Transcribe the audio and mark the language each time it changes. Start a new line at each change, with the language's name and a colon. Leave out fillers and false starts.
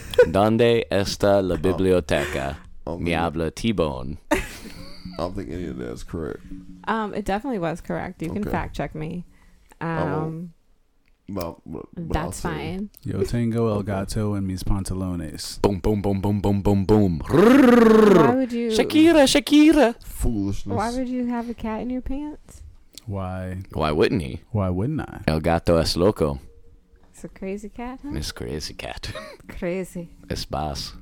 Spanish: ¿Dónde está la biblioteca? Me habla T-Bone.
English: I don't think any of that is correct. It definitely was correct. You can fact check me. That's fine.
Spanish: Yo tengo el gato en mis pantalones. Boom, boom, boom, boom, boom, boom, boom. Shakira.
English: Foolishness. Why would you have a cat in your pants? Why wouldn't he? Why wouldn't I?
Spanish: El gato es loco.
English: It's a crazy cat, huh? It's crazy cat. Crazy. It's boss.